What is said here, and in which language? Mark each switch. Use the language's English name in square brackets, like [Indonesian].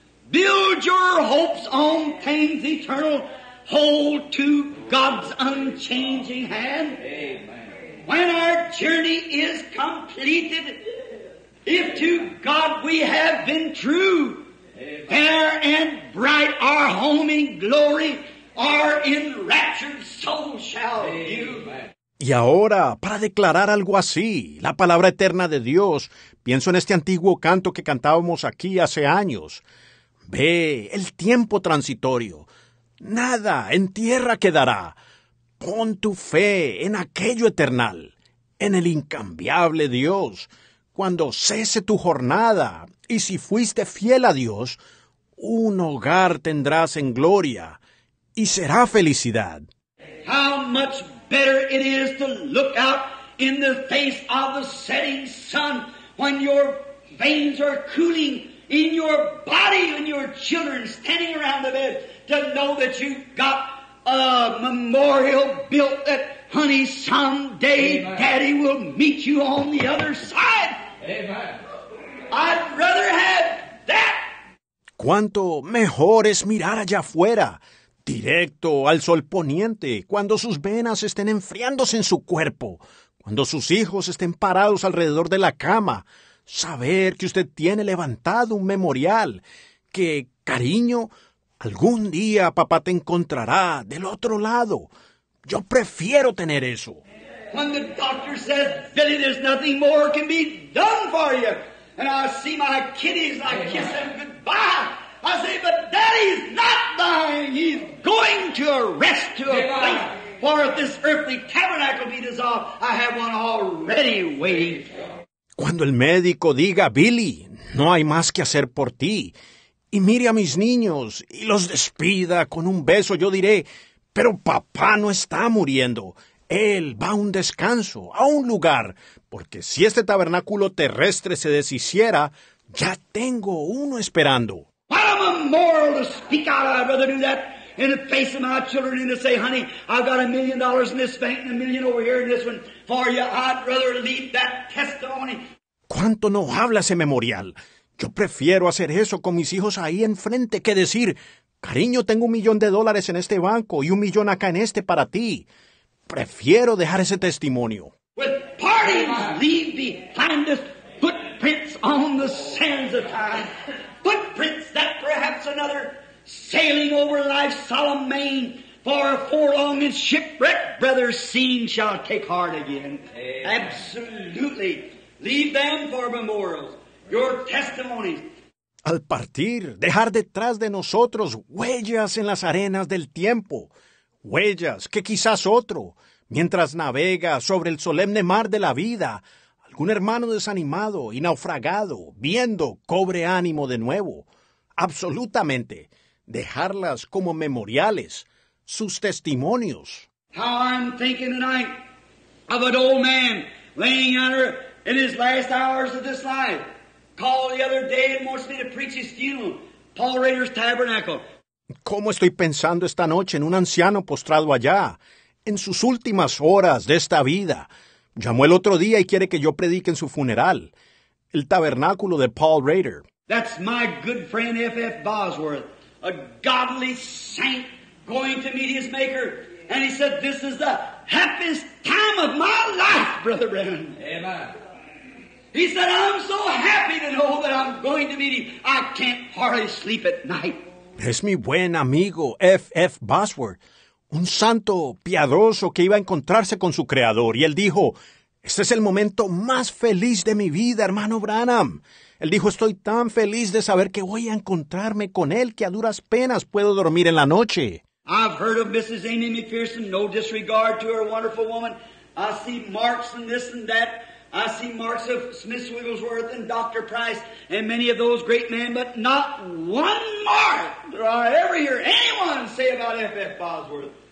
[English] Build your hopes on things eternal. Hold to God's unchanging hand. Amen. When our journey is completed, if to God we have been true, fair and bright our home in glory, our enraptured soul shall view. [Spanish] Y ahora, para declarar algo así, la palabra eterna de Dios, pienso en este antiguo canto que cantábamos aquí hace años. Ve, el tiempo transitorio. Nada en tierra quedará. Pon tu fe en aquello eternal, en el incambiable Dios. Cuando cese tu jornada, y si fuiste fiel a Dios, un hogar tendrás en gloria, y será felicidad. [English] How much better it is to look out in the face of the setting sun when your veins are cooling in your body and your children standing around the bed to know that you've got a memorial built that, honey, someday Amen. Daddy will meet you on the other side. Amen. I'd rather have that. [Spanish] ¿Cuánto mejor es mirar allá afuera? Directo al sol poniente, cuando sus venas estén enfriándose en su cuerpo, cuando sus hijos estén parados alrededor de la cama, saber que usted tiene levantado un memorial, que, cariño, algún día papá te encontrará del otro lado. Yo prefiero tener eso. Cuando el doctor dice, [English] Billy, there's nothing more can be done for you, and I see my kiddies, I kiss them goodbye. I say, but Daddy's not dying. He's going to a rest, to a place. For if this earthly tabernacle be dissolved, I have one already waiting. [Spanish] Cuando el médico diga, Billy, no hay más que hacer por ti, y mire a mis niños y los despida con un beso, yo diré, pero papá no está muriendo. Él va a un descanso, a un lugar, porque si este tabernáculo terrestre se deshiciera, ya tengo uno esperando. [English] What a memorial to speak out. I'd rather do that in the face of my children and to say, honey, I've got $1,000,000 in this bank and $1,000,000 over here in this one for you. I'd rather leave that testimony. [Spanish] ¿Cuánto no habla ese memorial? Yo prefiero hacer eso con mis hijos ahí enfrente que decir, cariño, tengo $1,000,000 en este banco y $1,000,000 acá en este para ti. Prefiero dejar ese testimonio. [English] With parties, leave behind us footprints on the sands of time. Footprints that perhaps another sailing over life's solemn main for a forlorn and shipwrecked brother seen shall take heart again. Amen. Absolutely. Leave them for memorials. Your testimonies. [Spanish] Al partir, dejar detrás de nosotros huellas en las arenas del tiempo. Huellas que quizás otro, mientras navega sobre el solemne mar de la vida, algún hermano desanimado y naufragado, viendo, cobre ánimo de nuevo. Absolutamente. Dejarlas como memoriales. sus testimonios. [English] How I'm thinking tonight of an old man laying under in his last hours of this life. Called the other day and wants me to preach his funeral. Paul Rader's Tabernacle. [Spanish] ¿Cómo estoy pensando esta noche en un anciano postrado allá, en sus últimas horas de esta vida? Llamó el otro día y quiere que yo predique en su funeral, el tabernáculo de Paul Rader. [English] That's my good friend F.F. Bosworth, a godly saint going to meet his maker. And he said, this is the happiest time of my life, Brother Brennan. Amen. He said, I'm so happy to know that I'm going to meet him. I can't hardly sleep at night. [Spanish] Es mi buen amigo F.F. Bosworth, un santo piadoso que iba a encontrarse con su creador. Y él dijo, este es el momento más feliz de mi vida, hermano Branham. Él dijo, estoy tan feliz de saber que voy a encontrarme con él que a duras penas puedo dormir en la noche. [English] I've heard of Mrs. Amy McPherson, no disregard to her wonderful woman. I see marks and this and that. I see marks of Smith Wigglesworth and Dr. Price and many of those great men, but not one mark do I ever hear anyone say about F.F. Bosworth.